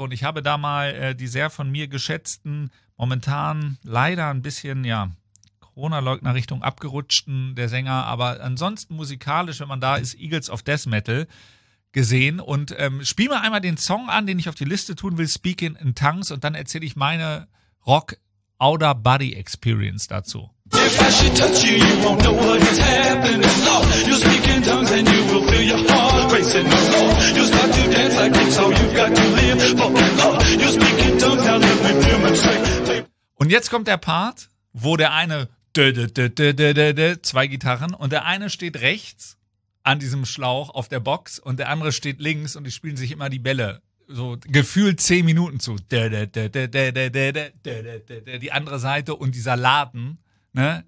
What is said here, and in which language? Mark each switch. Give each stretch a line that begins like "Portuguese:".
German: Und ich habe da mal die sehr von mir geschätzten, momentan leider ein bisschen, ja, Corona-Leugner-Richtung abgerutschten, der Sänger, aber ansonsten musikalisch, wenn man da ist, Eagles of Death Metal gesehen. Und spiel mir einmal den Song an, den ich auf die Liste tun will, Speaking in Tongues. Und dann erzähle ich meine Rock-Outer-Body-Experience dazu.
English: If I should touch you, you won't know what is happening, Lord. You'll speak in tongues and you will feel your heart racing, Lord. You'll start to dance like it's all you've got to live for, Lord. You'll speak in tongues, now let me demonstrate.
German: Und jetzt kommt der Part, wo der eine zwei Gitarren und der eine steht rechts an diesem Schlauch auf der Box und der andere steht links und die spielen sich immer die Bälle. So gefühlt 10 Minuten zu. Die andere Seite und dieser Laden. Ne?